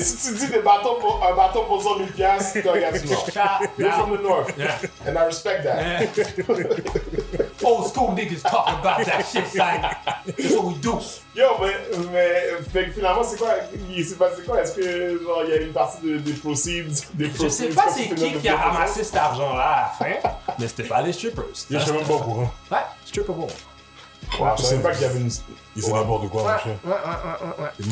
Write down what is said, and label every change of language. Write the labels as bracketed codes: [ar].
[fr] Si tu dis des bâtons pour, un bâton pour 100 000$, t'es un gars du Nord. [en] You're from the North. Yeah. And I respect that. Yeah. Old school niggas talk about that shit, son. That's what we do. [fr] Yo, mais finalement, c'est quoi? Il s'est passé quoi? Est-ce que genre, il y a une partie des proceeds? Je sais pas c'est qui a ramassé cet argent-là à la fin, mais c'était pas les strippers. Je sais même pas pourquoi. Ouais, Stripper Bowl. Ouais, je sais pas qu'il y avait une. Il sait n'importe quoi, mon cher. Ouais.